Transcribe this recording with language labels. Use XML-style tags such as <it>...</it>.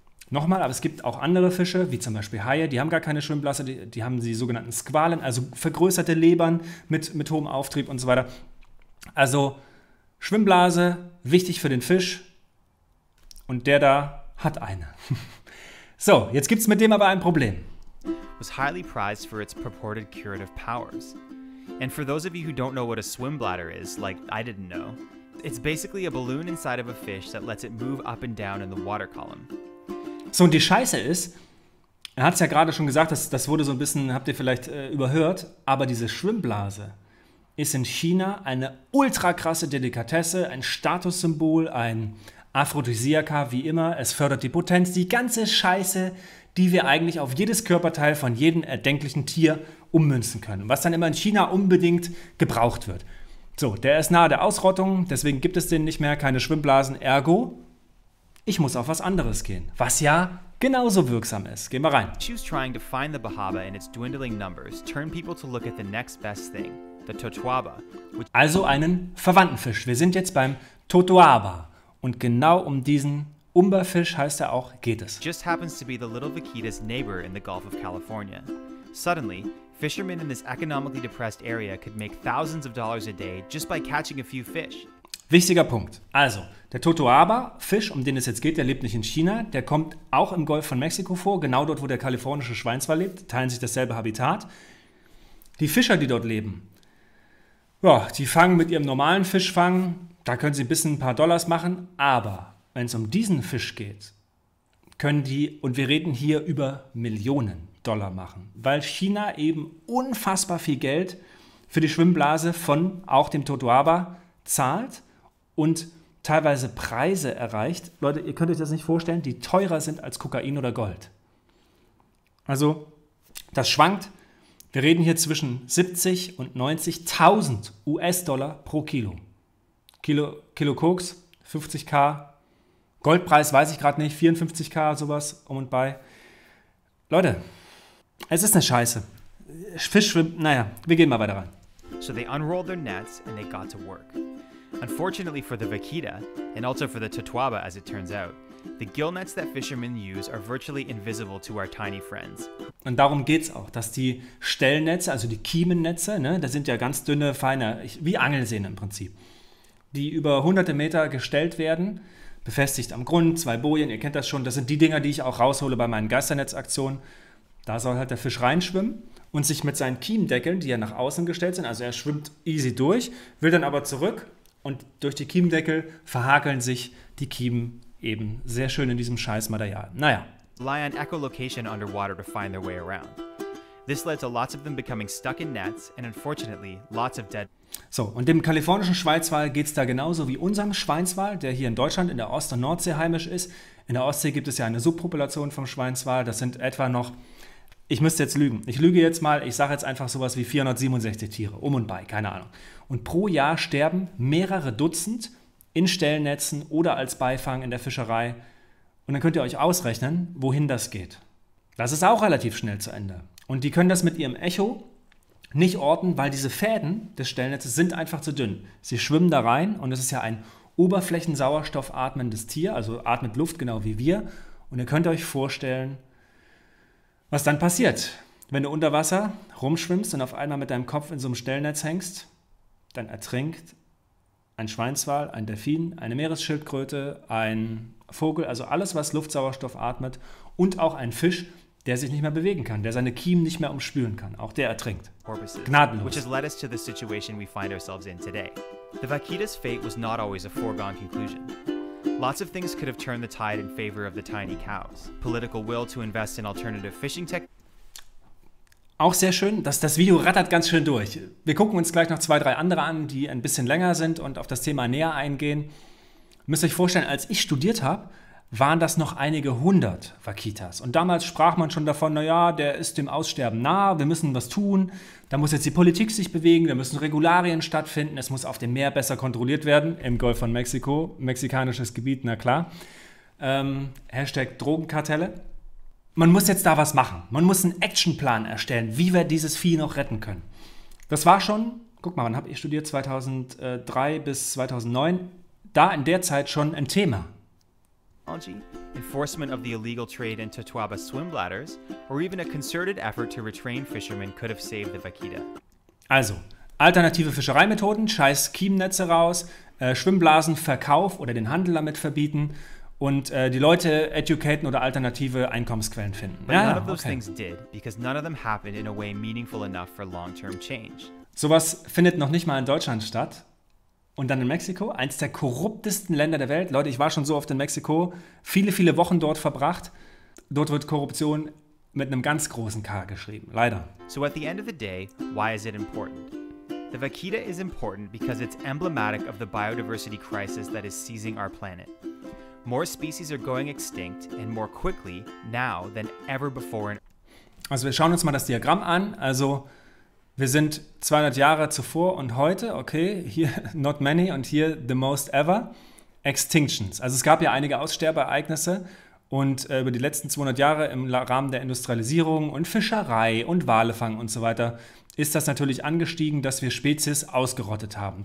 <de>Nochmal, aber es gibt auch andere Fische, wie zum Beispiel Haie, die haben gar keine Schwimmblase, die haben die sogenannten Squalen, also vergrößerte Lebern mit hohem Auftrieb und so weiter. Also Schwimmblase, wichtig für den Fisch und der da hat eine. So, jetzt gibt es mit dem aber ein Problem.</de> <en>Was highly prized for its purported curative powers. And for those of you who don't know what a swim bladder is, like I didn't know, it's basically a balloon inside of a fish that lets it move up and down in the water column.</en> <de>So, und die Scheiße ist, er hat es ja gerade schon gesagt, das wurde so ein bisschen, habt ihr vielleicht überhört, aber diese Schwimmblase ist in China eine ultra krasse Delikatesse, ein Statussymbol, ein Aphrodisiaka, wie immer. Es fördert die Potenz, die ganze Scheiße, die wir eigentlich auf jedes Körperteil von jedem erdenklichen Tier ummünzen können, was dann immer in China unbedingt gebraucht wird. So, der ist nahe der Ausrottung, deswegen gibt es den nicht mehr, keine Schwimmblasen, ergo... Ich muss auf was anderes gehen, was ja genauso wirksam ist. Gehen wir rein.</de> <en>She was trying to find the Bahaba in its dwindling numbers, turn people to look at the next best thing, the Totoaba.</en> <de>Also einen verwandten Fisch. Wir sind jetzt beim Totoaba. Und genau um diesen Umberfisch heißt er auch, geht es.</de> <en>Just happens to be the little vaquita's neighbor in the Gulf of California. Suddenly, fishermen in this economically depressed area could make thousands of dollars a day just by catching a few fish.</en> <de>Wichtiger Punkt. Also, der Totoaba-Fisch, um den es jetzt geht, der lebt nicht in China. Der kommt auch im Golf von Mexiko vor, genau dort, wo der kalifornische Schweinswal lebt. Teilen sich dasselbe Habitat. Die Fischer, die dort leben, ja, die fangen mit ihrem normalen Fischfang. Da können sie ein bisschen ein paar Dollars machen. Aber wenn es um diesen Fisch geht, können die, und wir reden hier über Millionen Dollar machen, weil China eben unfassbar viel Geld für die Schwimmblase von auch dem Totoaba zahlt. Und teilweise Preise erreicht. Leute, ihr könnt euch das nicht vorstellen, die teurer sind als Kokain oder Gold. Also, das schwankt. Wir reden hier zwischen 70 und 90.000 US-Dollar pro Kilo. Kilo Koks, 50k. Goldpreis weiß ich gerade nicht, 54k, sowas um und bei. Leute, es ist eine Scheiße. Fisch schwimmt, naja, wir gehen mal weiter rein.</de> <en>So they unrolled their nets and they got to work. Unfortunately for the vaquita, and also for the Totoaba as it turns out, the gill nets that fishermen use are virtually invisible to our tiny friends.</en> <de>Und darum geht's auch, dass die Stellnetze, also die Kiemennetze, ne, das sind ja ganz dünne, feine, wie Angelsehnen im Prinzip, die über hunderte Meter gestellt werden, befestigt am Grund, zwei Bojen, ihr kennt das schon, das sind die Dinger, die ich auch raushole bei meinen Geisternetzaktionen. Da soll halt der Fisch reinschwimmen. Und sich mit seinen Kiemendeckeln, die ja nach außen gestellt sind, also er schwimmt easy durch, will dann aber zurück und durch die Kiemendeckel verhakeln sich die Kiemen eben sehr schön in diesem scheiß Material. Naja.</de> <en>Rely on echolocation underwater to find their way around. This led to lots of them becoming stuck in nets and unfortunately lots of dead.</en> <de>So, und dem kalifornischen Schweinswal geht es da genauso wie unserem Schweinswal, der hier in Deutschland in der Ost- und Nordsee heimisch ist. In der Ostsee gibt es ja eine Subpopulation vom Schweinswal, das sind etwa noch... Ich müsste jetzt lügen. Ich lüge jetzt mal, ich sage jetzt einfach sowas wie 467 Tiere, um und bei, keine Ahnung. Und pro Jahr sterben mehrere Dutzend in Stellnetzen oder als Beifang in der Fischerei. Und dann könnt ihr euch ausrechnen, wohin das geht. Das ist auch relativ schnell zu Ende. Und die können das mit ihrem Echo nicht orten, weil diese Fäden des Stellnetzes sind einfach zu dünn. Sie schwimmen da rein und es ist ja ein oberflächensauerstoffatmendes Tier, also atmet Luft genau wie wir. Und ihr könnt euch vorstellen, was dann passiert, wenn du unter Wasser rumschwimmst und auf einmal mit deinem Kopf in so einem Stellnetz hängst, dann ertrinkt ein Schweinswal, ein Delfin, eine Meeresschildkröte, ein Vogel, also alles, was Luftsauerstoff atmet und auch ein Fisch, der sich nicht mehr bewegen kann, der seine Kiemen nicht mehr umspülen kann. Auch der ertrinkt. Gnadenlos.</de> <en>Which has led us to the situation we find ourselves in today. The vaquita's fate was not always a foregone conclusion. Lots of things could have turned the tide in favor of the tiny cows. Political will to invest in alternative fishing tech.</en> <de>Auch sehr schön, dass das Video rattert ganz schön durch. Wir gucken uns gleich noch zwei, drei andere an, die ein bisschen länger sind und auf das Thema näher eingehen. Müsst euch vorstellen, als ich studiert habe, waren das noch einige hundert Vaquitas. Und damals sprach man schon davon, naja, der ist dem Aussterben nah, wir müssen was tun. Da muss jetzt die Politik sich bewegen, da müssen Regularien stattfinden, es muss auf dem Meer besser kontrolliert werden, im Golf von Mexiko, mexikanisches Gebiet, na klar. Hashtag Drogenkartelle. man muss jetzt da was machen. Man muss einen Actionplan erstellen, wie wir dieses Vieh noch retten können. Das war schon, guck mal, wann habe ich studiert? 2003 bis 2009. Da in der Zeit schon ein Thema.</de> <en>Enforcement of the illegal trade in Tatuaba swim bladders or even a concerted effort to retrain fishermen could have saved the vaquita.</en> <de>Also, alternative Fischereimethoden, scheiß Kiemennetze raus, Schwimmblasenverkauf oder den Handel damit verbieten und die Leute educaten oder alternative Einkommensquellen finden.</de> <en>But ja, none of those things did, because none of them happened in a way meaningful enough for long-term change.</en> <de>Sowas findet noch nicht mal in Deutschland statt. Und dann in Mexiko, eins der korruptesten Länder der Welt. Leute, ich war schon so oft in Mexiko, viele, viele Wochen dort verbracht. Dort wird Korruption mit einem ganz großen K geschrieben, leider.</de> <en>So at the end of the day, why is it important? The vaquita is important because it's emblematic of the biodiversity crisis that is seizing our planet. More species are going extinct and more quickly now than ever before.</en> <de>Also wir schauen uns mal das Diagramm an. Also wir sind 200 Jahre zuvor und heute, okay, hier</de> <en>not many</en> <de>und hier</de> <en>the most ever,</en> <de>Extinctions. Also es gab ja einige Aussterbeereignisse und über die letzten 200 Jahre im Rahmen der Industrialisierung und Fischerei und Walefang und so weiter ist das natürlich angestiegen, dass wir Spezies ausgerottet haben.</de>